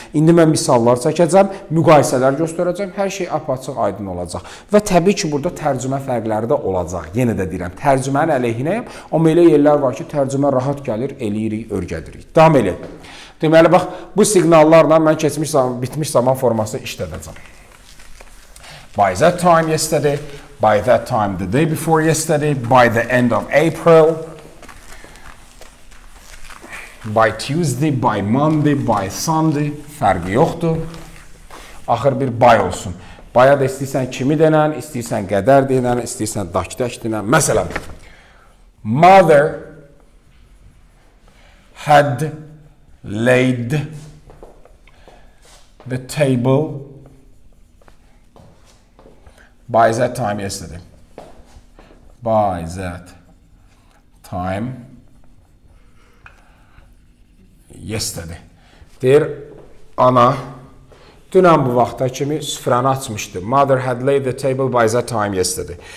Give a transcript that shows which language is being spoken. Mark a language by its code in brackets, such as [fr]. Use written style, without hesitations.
[az] İndi mən misallar çəkəcəm, müqayisələr göstərəcəm, hər şey apaçıq aydın olacaq. Və təbii ki, burada tərcümə fərqləri də olacaq, yenə də deyirəm, tərcümənin əleyhinəyəm, amma elə yerlər var ki, tərcümə rahat gəlir, eləyirik, örgədirik. Devam edin. Deməli, bax, bu siqnallarla mən keçmiş zaman, bitmiş zaman forması işlədəcəm. [en] By that time yesterday, by that time the day before yesterday, by the end of April, by Tuesday, by Monday, by Sunday, fərqi yoxdur. [az] Axır bir by olsun. Baya da istəyirsən kimi denən, istəyirsən qədər denən, istəyirsən dakdək denən. [en] Məsələn, mother had laid the table by that time yesterday. By that time yesterday. [az] Deyir, ana, dünən bu vaxta kimi süfrəni açmışdı. [en] Mother had laid the table by that time yesterday.